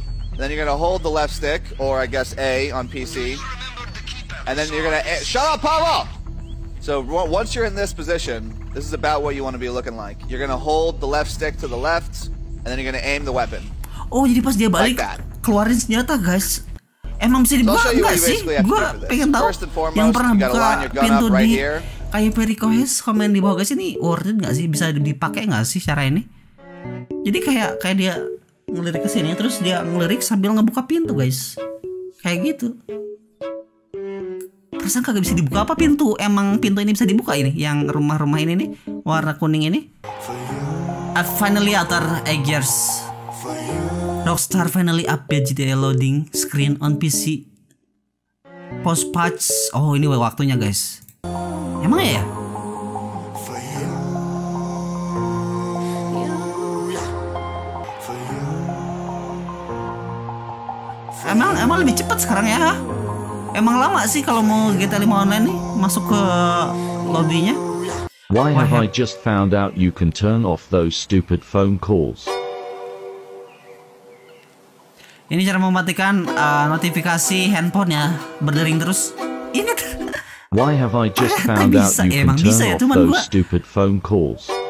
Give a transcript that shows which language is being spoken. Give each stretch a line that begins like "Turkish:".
English: And then you're going to hold the left stick, or I guess A on PC. And then you're going to shut up, Pablo. So once you're in this position, this is about what you want to be looking like. You're gonna hold the left stick to the left, and then you're gonna aim the weapon.
Indonesian: Oh, jadi pas dia balik, keluarin senjata, guys. Emang bisa dibuka nggak sih? Gua pengen tahu. Yang pernah buka pintu di kayak perikohes, komen di bawah, guys. Ini worth it nggak sih? Bisa dipakai nggak sih cara ini? Jadi kayak dia ngelirik ke sini, terus dia ngelirik sambil ngebuka pintu, guys. Kayak gitu. Perasaan kagak bisa dibuka apa pintu? Emang pintu ini bisa dibuka ini? Yang rumah-rumah ini nih, warna kuning ini.
English: Finally after Eggers. Rockstar finally update GTA loading screen on PC. Post patch.
Indonesian: Oh, ini waktunya, guys. Emang ya? Emang lebih cepat sekarang ya? Emang lama sih kalau mau GTA 5 online nih masuk ke lobbynya.
English: Why have I just found out you can turn off those stupid phone calls?
Indonesian: Ini cara mematikan notifikasi handphone ya, berdering terus. Ingat.
English: Why have I just found out you can turn off those stupid phone calls?